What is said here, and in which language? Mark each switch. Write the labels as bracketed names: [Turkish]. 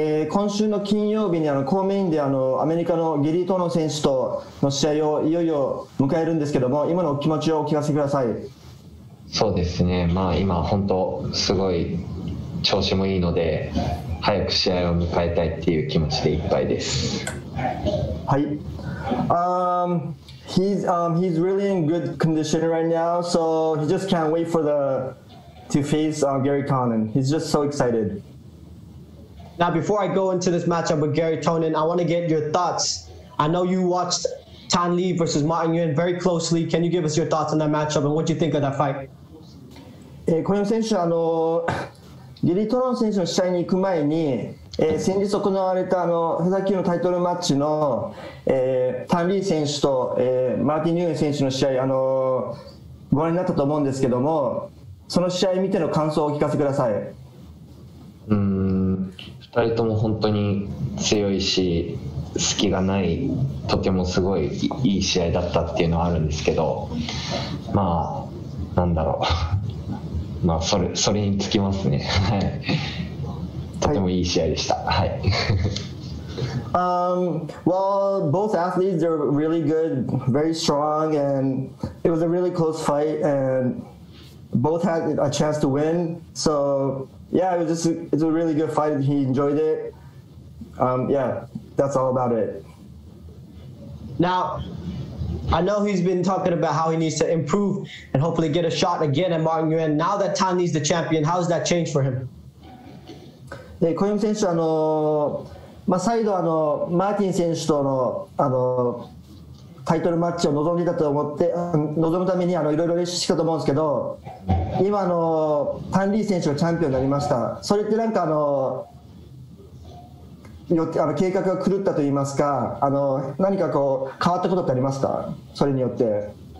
[Japanese] 今週の金曜日にコーメインでアメリカのギリートノ選手との試合をいよいよ迎えるんですけども、今のお気持ちをお聞かせください。そうですね。まあ今本当すごい調子もいいので、早く試合を迎えたいっていう気持ちでいっぱいです。はい。 [English] He's really in good condition right now, so he just can't wait for the to face Gary Tonin. He's just so excited. Now, before I go into this matchup with Gary Tonin, I want to get your thoughts. I know you watched Tan Lee versus Martin Yuen very closely. Can you give us your thoughts on that matchup and what you think of that fight? [Japanese] Koyo 選手、ギリトロン選手の試合に行く前に、先日行われたフェザー級のタイトルマッチの、タン・リー選手と、マーティン・ユエン選手の試合、ご覧になったと思うんですけども、その試合見ての感想をお聞かせください。 2人とも本当に強いし隙がないとてもすごいいい試合だったっていうのはあるんですけど、まあなんだろう、まあそれにつきますね。とてもいい試合でした。はい。 [English] Well, both athletes are really good, very strong, and it was a really close fight, and both had a chance to win, soYeah, it's a really good fight. He enjoyed it. Yeah, that's all about it. Now, I know he's been talking about how he needs to improve and hopefully get a shot again at Martin Yuen. Now that Tan Lee's the champion, how's that changed for him? [Japanese] Koyo 選手、再度、マーティン選手と タイトルマッチを望んでたと思って、望むために、いろいろ練習したと思うんですけど、今タン・リー選手がチャンピオンになりました。それってなんか計画が狂ったといいますか、何かこう変わったことってありますか、それによって。